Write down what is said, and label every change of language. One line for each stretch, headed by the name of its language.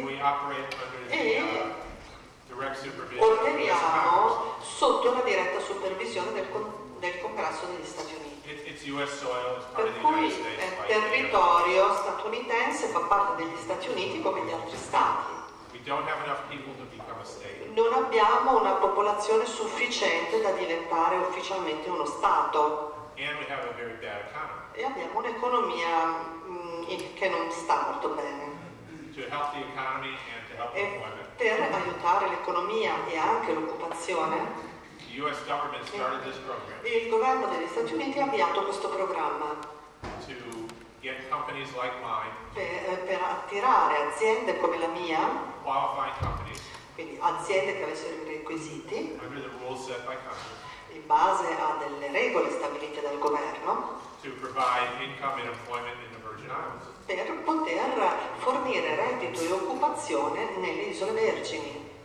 English: And we operate under the, direct supervision.
Italian: Operiamo sotto la diretta supervisione del Congresso degli Stati Uniti.
English: It's US soil, it's
Italian: per cui è territorio statunitense, fa parte degli Stati Uniti come gli altri stati.
English: Don't have enough people to become a state.
Italian: Non abbiamo una popolazione sufficiente da diventare ufficialmente uno Stato.
English: And we have a very bad economy.
Italian: E abbiamo un'economia che non sta molto bene.
English: To help the economy and to help employment.
Italian: Per aiutare l'economia e anche l'occupazione,
English: the US government started this program.
Italian: Il governo degli Stati Uniti ha avviato questo programma.
English: To get companies like mine,
Italian: per attirare aziende come la mia,
English: qualifying companies,
Italian: quindi aziende che avessero i requisiti,
English: under the rules set by Congress,
Italian: in base a delle regole stabilite dal governo,
English: to provide income and employment in the Virgin Islands,
Italian: per poter fornire reddito e occupazione nelle Isole Vergini.